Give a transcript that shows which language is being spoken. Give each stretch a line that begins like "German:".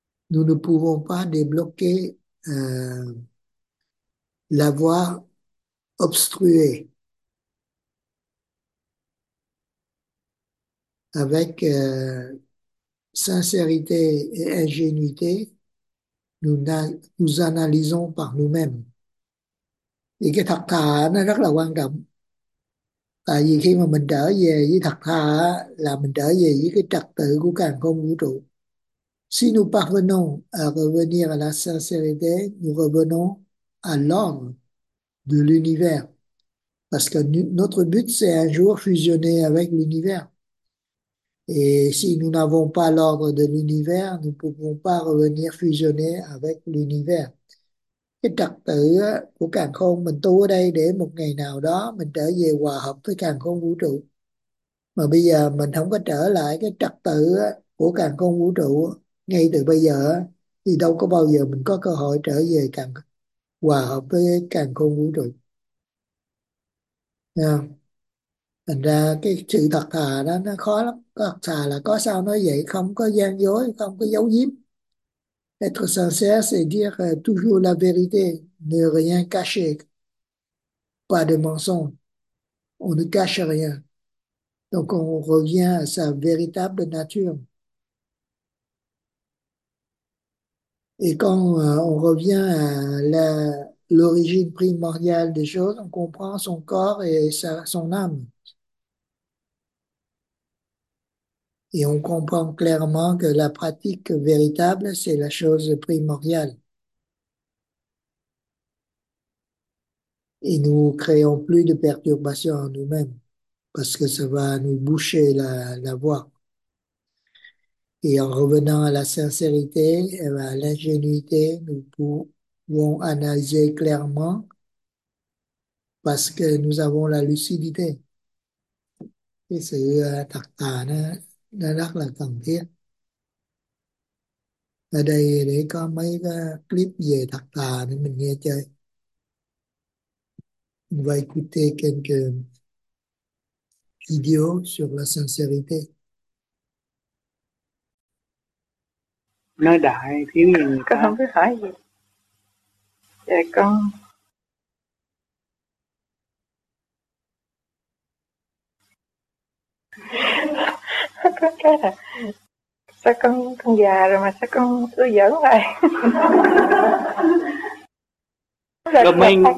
French: Nous ne pouvons pas débloquer la voie obstruée avec sincérité et ingénuité. Nous analysons par nous-mêmes.
Vietnamese: Vì cái thật thà nó rất là quan trọng. Tại vì khi mà mình trở về với thật thà là mình trở về với cái trật tự của càn khôn vũ trụ.
French: Si nous parvenons à revenir à la sincérité, nous revenons à l'ordre de l'univers. Parce que notre but, c'est un jour fusionner avec l'univers. Et si nous n'avons pas l'ordre de l'univers, nous ne pouvons pas revenir fusionner avec l'univers.
Vietnamese: Cái trật tự của càn khôn, mình tu ở đây để một ngày nào đó mình trở về hòa hợp với càn khôn vũ trụ. Mà bây giờ mình không có trở lại cái trật tự của càn khôn vũ trụ ngay từ bây giờ thì đâu có bao giờ mình có cơ hội trở về càn hòa hợp với càn khôn vũ trụ. Thành ra cái sự thật thà đó nó khó lắm. Thật thà là có sao nói vậy, không có gian dối, không có giấu giếm.
French: Être sincère, c'est dire toujours la vérité, ne rien cacher, pas de mensonge. On ne cache rien. Donc on revient à sa véritable nature. Et quand on revient à l'origine primordiale des choses, on comprend son corps et son âme. Et on comprend clairement que la pratique véritable, c'est la chose primordiale. Et nous créons plus de perturbations en nous-mêmes, parce que ça va nous boucher la voie. Et en revenant à la sincérité et à l'ingénuité, nous pouvons analyser clairement parce que nous avons la lucidité.
Vietnamese: Cái sự thật thà nó rất là cần thiết. Ở đây để có mấy cái clip về thật thà để mình nghe chơi.
French: On va écouter quelques vidéos sur la sincérité.
Vietnamese: Nói đại thì mình có không biết hỏi gì. Dạ con. Sao con cái là sao con già rồi mà sao con cứ giỡn hoài.